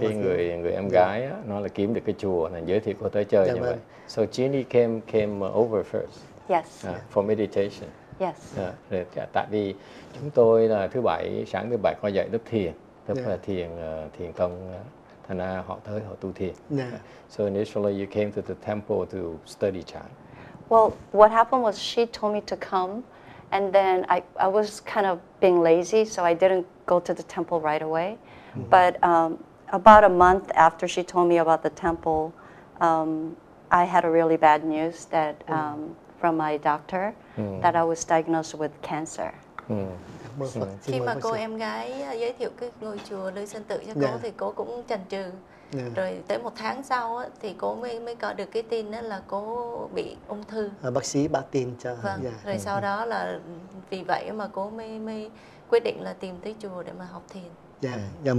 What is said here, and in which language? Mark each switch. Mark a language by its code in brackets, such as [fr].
[vi] Cái người em gái á, nó là kiếm được cái chùa này giới thiệu cô tới chơi như vậy. [en] So Jenny came over first. Yes. For meditation. Yes. [vi] Tại vì chúng tôi là thứ bảy, sáng thứ bảy có dạy lớp thiền, thiền tông. Thành ra họ tới họ tu thiền. [en] So initially you came to the temple to study chant. Well, what happened was she told me to come. And then I was kind of being lazy, so I didn't go to the temple right away. Mm-hmm. But about a month after she told me about the temple, I had a really bad news that from my doctor that I was diagnosed with cancer. [vi] Khi mà cô em gái giới thiệu cái ngôi chùa Lưu Sinh Tự cho cô thì cô cũng chần chừ. Rồi tới một tháng sau á, thì cô mới có được cái tin đó là cô bị ung thư. Bác sĩ báo tin cho. Rồi sau đó là vì vậy mà cô mới quyết định là tìm tới chùa để mà học thiền.